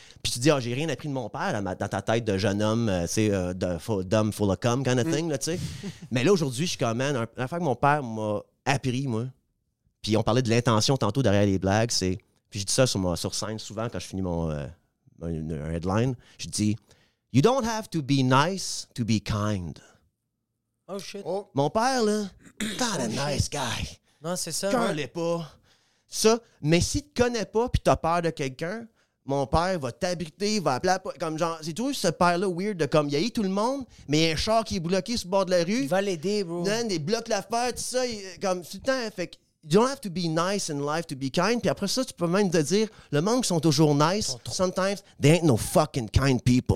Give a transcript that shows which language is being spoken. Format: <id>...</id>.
<fr>Puis tu dis, oh, j'ai rien appris de mon père dans ta tête de jeune homme, d'homme</fr> <en>full of cum, kind of thing,</en> <fr>là, tu sais. Mais là, aujourd'hui, je suis quand même, l'affaire que mon père m'a appris, moi, puis on parlait de l'intention tantôt derrière les blagues, c'est. Puis je dis ça sur scène souvent quand je finis mon headline. Je dis.</fr> <en>You don't have to be nice to be kind. Oh shit. Oh.</en> <fr>Mon père, là, t'es un nice guy. Non, c'est ça. Cœur l'est pas. Ça, mais s'il te connaît pas pis t'as peur de quelqu'un, mon père va t'abriter, va appeler à... Comme genre, c'est toujours ce père-là weird de comme, il y a eu tout le monde, mais il y a un char qui est bloqué sur le bord de la rue. Il va l'aider, bro. Non, il bloque l'affaire, tout ça. Il, comme, tout le temps, fait que.</fr> <en>You don't have to be nice in life to be kind.</en> <fr>Puis après ça, tu peux même te dire, le monde qui sont toujours nice,</fr> <en>sometimes they ain't no fucking kind people.</en>